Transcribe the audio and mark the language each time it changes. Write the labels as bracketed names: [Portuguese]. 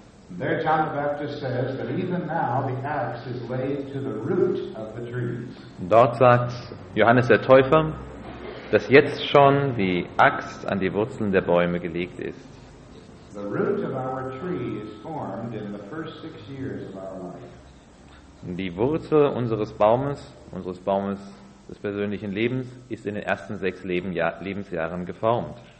[English] There John the Baptist says that even now the axe is laid to the root of the trees. [German] Dort sagt Johannes der Täufer, dass jetzt schon die Axt an die Wurzeln der Bäume gelegt ist. [English] The root of our tree is formed in the first 6 years of our life. [German] Die Wurzel unseres Baumes des persönlichen Lebens ist in den ersten 6 Lebensjahren geformt.